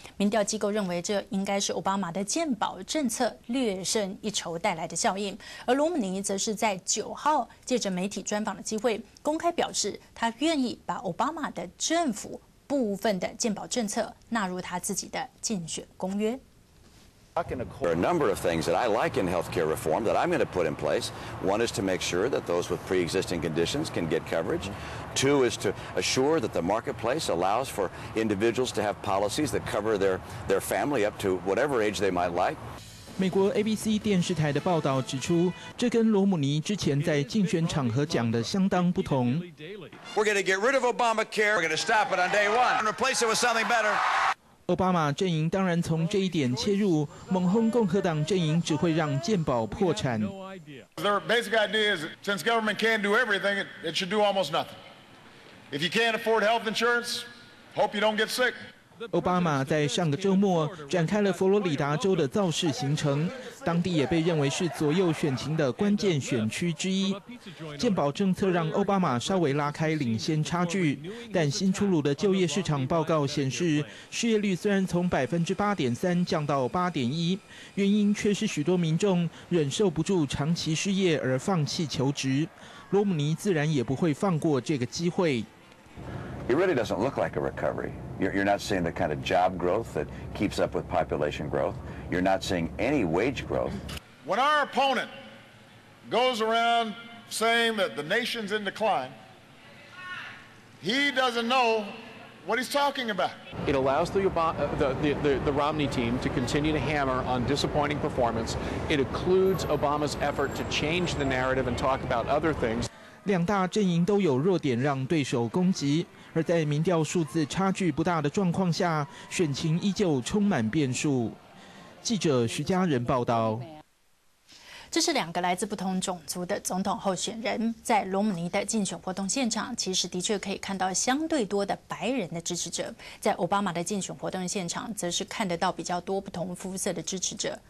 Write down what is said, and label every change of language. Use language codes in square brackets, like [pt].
[zh] 民调机构认为，这应该是奥巴马的健保政策略胜一筹带来的效应。而罗姆尼则是在9号借着媒体专访的机会，公开表示他愿意把奥巴马的政府部分的健保政策纳入他自己的竞选公约。 [en] There are a number of things that I like in health care reform that I'm going to put in place. One is to make sure that those with pre-existing conditions can get coverage. Two is to assure that the marketplace allows for individuals to have policies that cover their family up to whatever age they might like. [zh] 美国 ABC 电视台的报道指出，这跟罗姆尼之前在竞选场合讲的相当不同。 [en] We're going to get rid of Obamacare. We're going to stop it on day one and replace it with something better. [zh] 奥巴马阵营当然从这一点切入，猛轰共和党阵营只会让健保破产。 [en] Their basic idea is, since government can't do everything, it should do almost nothing. If you can't afford health insurance, hope you don't get sick. [zh] 奥巴马在上个周末展开了佛罗里达州的造势行程，当地也被认为是左右选情的关键选区之一。健保政策让奥巴马稍微拉开领先差距，但新出炉的就业市场报告显示，失业率虽然从8.3%降到8.1%，原因却是许多民众忍受不住长期失业而放弃求职。罗姆尼自然也不会放过这个机会。 [en] It really doesn't look like a recovery. You're not seeing the kind of job growth that keeps up with population growth. You're not seeing any wage growth. When our opponent goes around saying that the nation's in decline, he doesn't know what he's talking about. It allows the Romney team to continue to hammer on disappointing performance. It occludes Obama's effort to change the narrative and talk about other things. [zh] 两大阵营都有弱点让对手攻击，而在民调数字差距不大的状况下，选情依旧充满变数。记者徐佳仁报道。这是两个来自不同种族的总统候选人，在罗姆尼的竞选活动现场，其实的确可以看到相对多的白人的支持者，在奥巴马的竞选活动现场则是看得到比较多不同肤色的支持者。